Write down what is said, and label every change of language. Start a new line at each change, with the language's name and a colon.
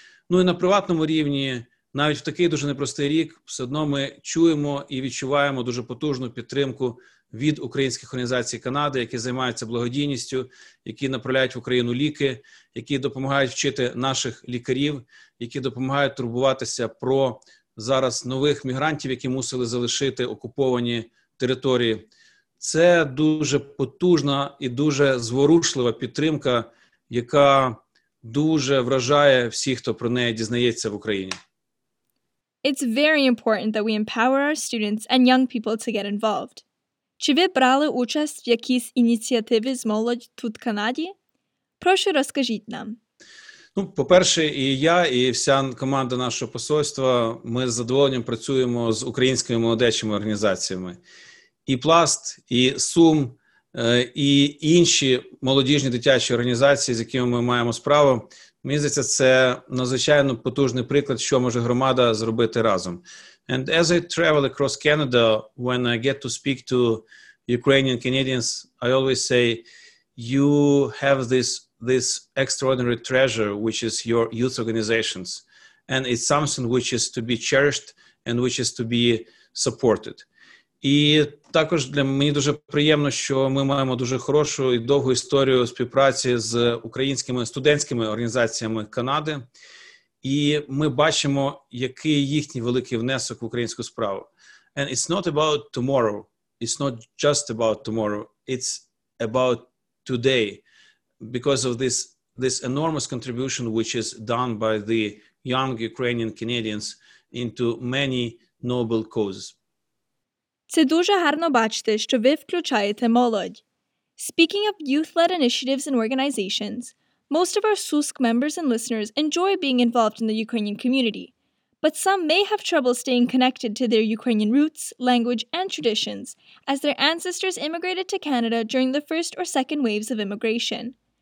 Ukrainian: Ну і на приватному рівні, навіть в такий дуже непростий рік, все одно ми чуємо і відчуваємо дуже потужну підтримку від українських організацій Канади, які займаються благодійністю, які направляють в Україну ліки, які допомагають вчити наших лікарів, які допомагають турбуватися про зараз нових мігрантів, які мусили залишити окуповані території. Це дуже потужна і дуже зворушлива підтримка, яка дуже вражає всіх, хто про неї дізнається в Україні.
English: It's very important that we empower our students and young people to get involved.
Ukrainian: Чи ви брали участь в якійсь ініціативі з молодь тут в Канаді? Прошу, розкажіть нам. Ну, по-перше, і я, і вся команда нашого посольства, ми з задоволенням працюємо з українськими молодечими організаціями. І Пласт, і Сум, і інші молодіжні дитячі організації, з якими ми маємо справу, мені здається, це надзвичайно потужний приклад, що може громада зробити разом.
English: And as I travel across Canada, when I get to speak to Ukrainian Canadians, I always say, you have this extraordinary treasure, which is your youth organizations. And it's something which is to be cherished and which is to be supported.
Ukrainian: І також для мені дуже приємно, що ми маємо дуже хорошу і довгу історію співпраці з українськими студентськими організаціями Канади. І ми бачимо, який їхній великий внесок в українську справу.
English: And it's not about tomorrow. It's not just about tomorrow. It's about today. Because of this enormous contribution, which is done by the young Ukrainian Canadians into many noble causes.
Ukrainian: Це дуже гарно бачити, що ви включаєте молодь.
English: Speaking of youth-led initiatives and organizations, most of our SUSC members and listeners enjoy being involved in the Ukrainian community, but some may have trouble staying connected to their Ukrainian roots, language, and traditions as their ancestors immigrated to Canada during the first or second waves of immigration.